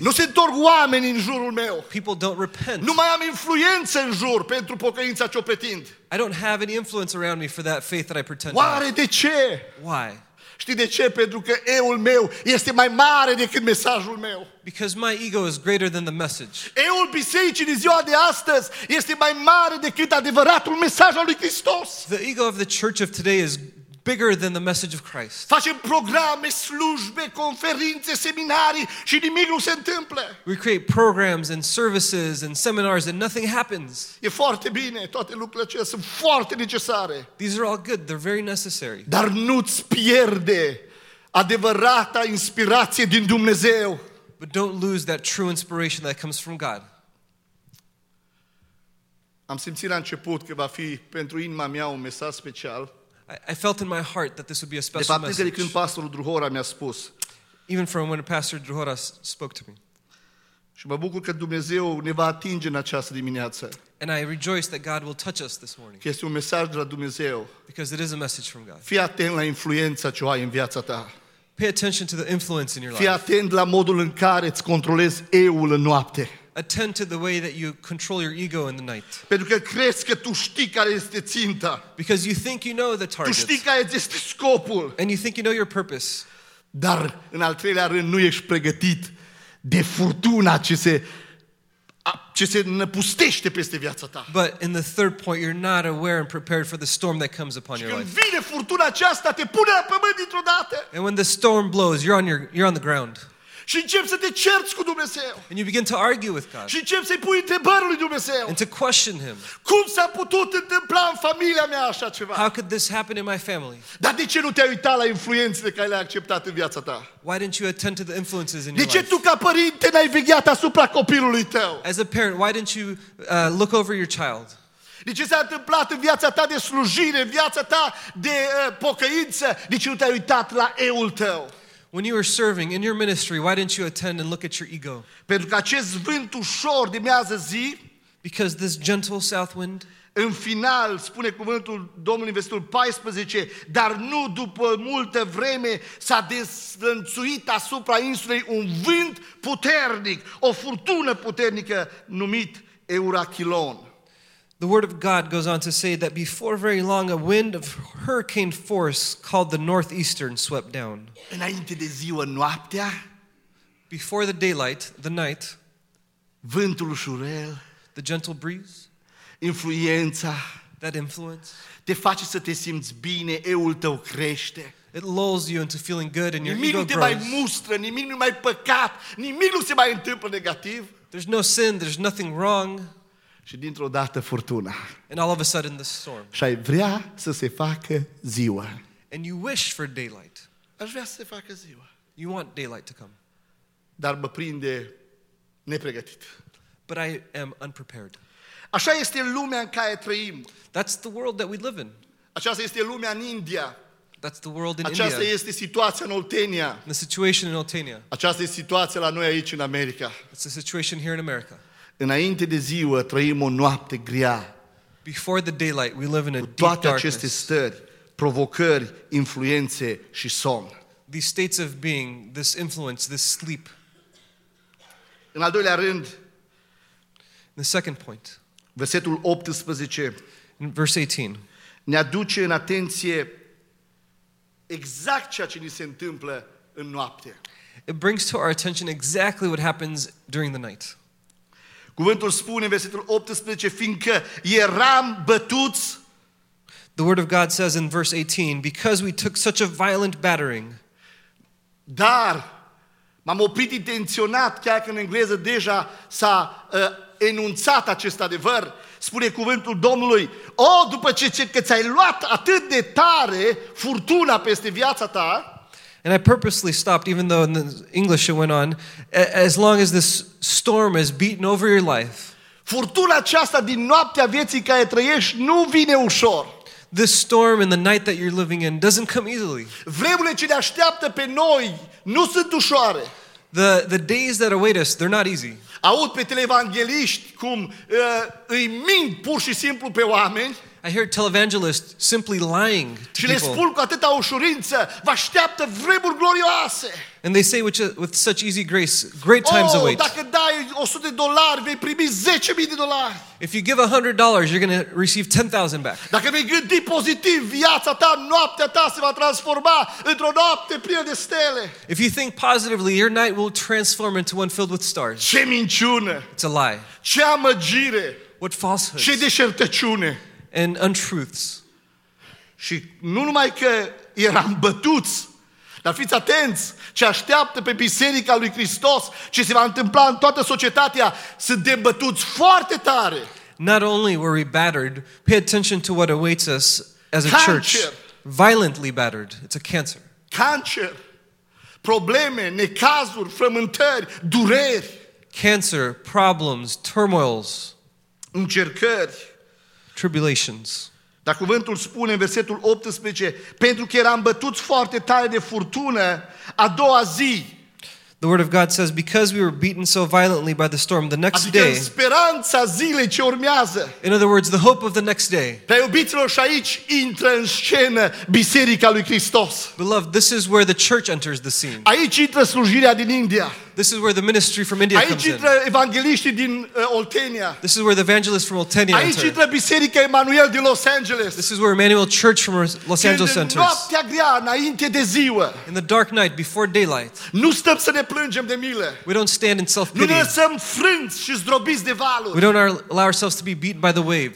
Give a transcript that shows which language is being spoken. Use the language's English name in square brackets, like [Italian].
[Romanian] Nu se întorc oameni în jurul meu. [English] People don't repent. [Romanian] Nu mai am influență în jur pentru pocăința ce o pretind. [English] I don't have any influence around me for that faith that I pretend. [Romanian] Oare de ce? [English] Why? [Romanian] Știi de ce? Pentru că eul meu este mai mare decât mesajul meu. [English] Because my ego is greater than the message. [Romanian] Eul bisericii din ziua de astăzi este mai mare decât adevăratul mesaj al lui Hristos. [English] The ego of the church of today is bigger than the message of Christ. [Romanian] Facem programe, slujbe, conferințe, seminarii și nimic nu se întâmplă. [English] We create programs and services and seminars and nothing happens. [Romanian] E foarte bine, toate lucrurile acestea sunt foarte necesare. [English] These are all good, they're very necessary. [Romanian] Dar nu-ți pierde adevărata inspirație din Dumnezeu. [English] But don't lose that true inspiration that comes from God. [Romanian] Am simțit la început că va fi pentru inima mea un mesaj special. [English] I felt in my heart that this would be a special message. [Romanian] De fapt, de când pastorul Druhora mi-a spus. [English] Even from when Pastor Druhora spoke to me. [Romanian] Și mă bucur că Dumnezeu ne va atinge în această dimineață. [English] And I rejoice that God will touch us this morning. [Romanian] Este un mesaj de la Dumnezeu. [English] Because it is a message from God. [Romanian] Fii atent la influența ce ai în viața ta. [English] Pay attention to the influence in your [Romanian] life. Fii atent la modul în care îți controlezi eul în noapte. [English] Attend to the way that you control your ego in the night. [Romanian] Pentru că crezi că tu știi care este ținta. [English] Because you think you know the target. [Romanian] Tu știi care este scopul. [English] And you think you know your purpose. [Romanian] Dar în al treilea rând nu ești pregătit de furtuna ce se năpustește peste viața ta. [English] But in the third point, you're not aware and prepared for the storm that comes upon your life. [Romanian] Și când vine furtuna aceasta, te pune la pământ dintr-o dată. [English] And when the storm blows, you're on the ground. [Romanian] Și începi să te cerți cu Dumnezeu. [English] And you begin to argue with God. [Romanian] Și începi să-i pui întrebări lui Dumnezeu. [English] And to question him. [Romanian] Cum s-a putut întâmpla în familia mea așa ceva? [English] How could this happen in my family? [Romanian] Dar de ce nu te-ai uitat la influențele care le-ai acceptat în viața ta? [English] Why didn't you attend to the influences in [Romanian] de [English] your [Romanian] ce [English] life? [Romanian] Tu ca părinte n-ai vegheat asupra copilului tău? [English] As a parent, why didn't you look over your child? [Romanian] De ce s-a întâmplat în viața ta de slujire, în viața ta de pocăință? De ce nu te-ai uitat la eul tău? [English] When you were serving in your ministry, why didn't you attend and look at your ego? [Romanian] Pentru că acest vânt ușor de miază zi, [English] because this gentle south wind, [Romanian] în final spune cuvântul Domnului versetul 14, dar nu după multă vreme s-a deslănțuit asupra insulei un vânt puternic, o furtună puternică numit Eurachilon. [English] The word of God goes on to say that before very long a wind of hurricane force called the northeastern swept down. [Romanian] Înainte de ziua, noaptea, [English] before the daylight, the night, [Romanian] vântul ușurel, [English] the gentle breeze, [Romanian] influența, [English] that influence, [Romanian] te face să te simți bine, eul tău crește. [English] It lulls you into feeling good and your [Romanian] nimic [English] ego [Romanian] nu te mai mustră, nimic nu mai păcat, nimic nu se mai întâmplă negativ. [English] There's no sin, there's nothing wrong. [Romanian] Și dintr-o dată furtuna. [English] And all of a sudden the storm. [Romanian] Și ai vrea să se facă ziua. [English] And you wish for daylight. [Romanian] Aș vrea să se facă ziua. [English] You want daylight to come. [Romanian] Dar mă prinde nepregătit. [English] But I am unprepared. [Romanian] Așa este lumea în care trăim. [English] That's the world that we live in. [Romanian] Aceasta este lumea în India. [English] That's the world in [Romanian] Aceasta [English] India. [Romanian] Aceasta este situația în Oltenia. [English] The situation in Oltenia. [Romanian] Aceasta este situația la noi aici în America. [English] It's the situation here in America. [Romanian] Înainte de ziua trăim o noapte grea. [English] Before the daylight we live in a deep darkness. [Romanian] Cu toate aceste stări, provocări, influențe și somn. [English] These states of being, this influence, this sleep. [Romanian] În al doilea rând, [English] in the second point. [Romanian] Versetul 18. [English] In verse 18. [Romanian] Ne aduce în atenție exact ceea ce ni se întâmplă în noapte. [English] It brings to our attention exactly what happens during the night. [Romanian] Cuvântul spune în versetul 18, fiindcă eram bătuți. [English] The word of God says in verse 18, because we took such a violent battering. [Romanian] Dar m-am oprit intenționat, chiar că în engleză deja s-a enunțat acest adevăr. Spune cuvântul Domnului, după ce ți-ai luat atât de tare furtuna peste viața ta. [English] And I purposely stopped, even though in the English it went on, as long as this storm has beaten over your life. [Romanian] Furtuna aceasta din noaptea vieții care trăiești nu vine ușor. [English] This storm in the night that you're living in doesn't come easily. [Romanian] Vremurile ce ne așteaptă pe noi nu sunt ușoare. [English] The days that await us, they're not easy. [Romanian] Aud pe televangeliști cum îi mint pur și simplu pe oameni. [English] I hear televangelists simply lying to people. [Romanian] Și le spun cu atâta ușurință, vă așteaptă vremuri glorioase. [English] And they say with such easy grace, great times await. [Romanian] Oh, dacă dai $100, vei primi $10,000. [English] If you give $100, you're going to receive $10,000 back. [Romanian] Dacă vei gândi pozitiv, viața ta, noaptea ta se va transforma într-o noapte plină de stele. [English] If you think positively, your night will transform into one filled with stars. [Romanian] Ce minciună! [English] It's a lie. [Romanian] Ce amăgire! [English] What falsehood! [Romanian] Ce deșertăciune! [English] And untruths. [Romanian] Și nu numai că eram bătuți, dar fiți atenți ce așteaptă pe biserica lui Hristos, ce se va întâmpla în toată societatea, suntem bătuți foarte tare. [English] Not only were we battered, pay attention to what awaits us as a cancer. Church. Violently battered. It's a cancer. Cancer. [Romanian] Probleme, necazuri, frământări, dureri. [English] Cancer, problems, turmoils. [Romanian] Încercări. [English] Tribulations. [Romanian] Dar cuvântul spune în versetul 18, pentru că eram bătuți foarte tare de furtună a doua zi. [English] The word of God says because we were beaten so violently by the storm the next day. [Romanian] Adică speranța zilei ce urmează. [English] In other words, the hope of the next day. [Romanian] Prea iubiților, și aici intră în scenă biserica lui Hristos. [English] Beloved, this is where the church enters the scene. [Romanian] Aici intră slujirea din India. [English] This is where the ministry from India [Romanian] aici [English] comes in. [Romanian] Aici intră evangeliștii din Oltenia. [English] This is where the evangelists from Oltenia [Romanian] aici [English] enter. [Romanian] Aici intră biserica Emmanuel din Los Angeles. [English] This is where Emmanuel Church from Los Angeles enters. [Romanian] Noaptea grea, înainte de ziua. [English] In the dark night before daylight. [Romanian] Nu stăm să ne plângem de milă. [English] We don't stand in self-pity. [Romanian] Nu ne lăsăm frânți și zdrobiți de valuri. [English] We don't allow ourselves to be beaten by the waves.